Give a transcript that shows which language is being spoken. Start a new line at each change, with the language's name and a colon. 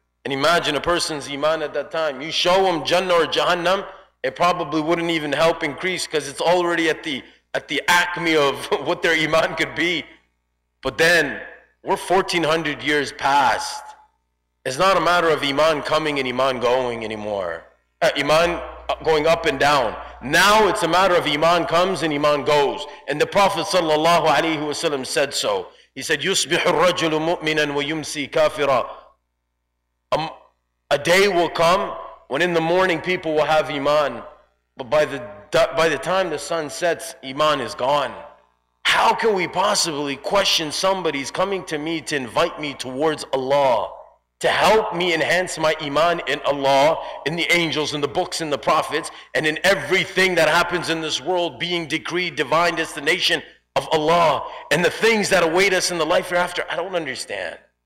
English: And imagine a person's iman at that time. You show them Jannah or Jahannam, it probably wouldn't even help increase because it's already at the acme of what their iman could be. But then, we're 1400 years past. It's not a matter of iman coming and iman going anymore. Iman going up and down. Now it's a matter of iman comes and iman goes. And the Prophet sallallahu alayhi wa sallam said so. He said,
Arabic: يُصْبِحُ الرَّجُلُ مُؤْمِنًا وَيُمْسِي كَافِرًا.
English: A day will come when in the morning people will have iman, but by the time the sun sets, iman is gone. How can we possibly question somebody's coming to me to invite me towards Allah, to help me enhance my iman in Allah, in the angels, in the books, in the prophets, and in everything that happens in this world being decreed divine destination of Allah, and the things that await us in the life hereafter? I don't understand.